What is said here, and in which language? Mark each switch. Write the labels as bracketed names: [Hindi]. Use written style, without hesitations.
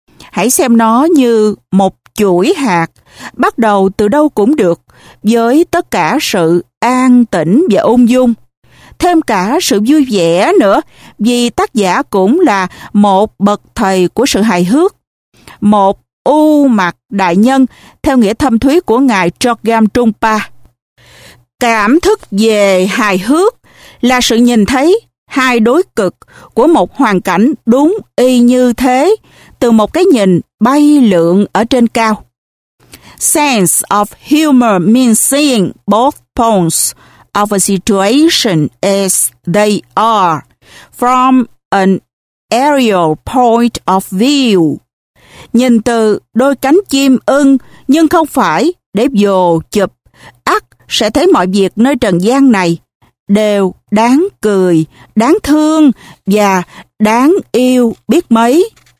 [Vietnamese] Hãy xem nó như một chuỗi hạt, bắt đầu từ đâu cũng được, với tất cả sự an tĩnh và ung dung, thêm cả sự vui vẻ nữa, vì tác giả cũng là một bậc thầy của sự hài hước, một u mặt đại nhân theo nghĩa thâm thúy của ngài Trogam Trungpa. Cảm thức về hài hước là sự nhìn thấy hai đối cực của một hoàn cảnh đúng y như thế, từ một cái nhìn bay lượn ở trên cao. [English] Sense of humor means seeing both points of a situation as they are, from an aerial point of view. [Vietnamese] Nhìn từ đôi cánh chim ưng, nhưng không phải để vồ chụp, ắt sẽ thấy mọi việc nơi trần gian này đều đáng cười, đáng thương và đáng yêu biết mấy.